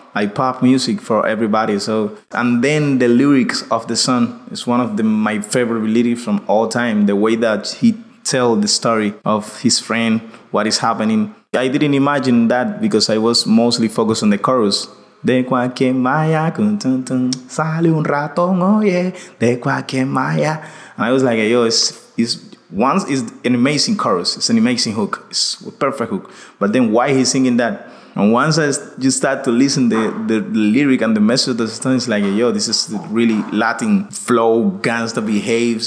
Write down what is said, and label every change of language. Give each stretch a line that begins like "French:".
English: Like pop music for everybody. So, and then the lyrics of the song is one of my favorite lyrics from all time. The way that he tells the story of his friend, what is happening. I didn't imagine that because I was mostly focused on the chorus.
Spanish: De cualquier maya, sale un ratón, oye, de cualquier maya.
English: And I was like, yo, it's an amazing chorus. It's an amazing hook. It's a perfect hook. But then why he's singing that? And once you start to listen the lyric and the message of the song, it's like, yo, this is really Latin flow, gangsta behaves.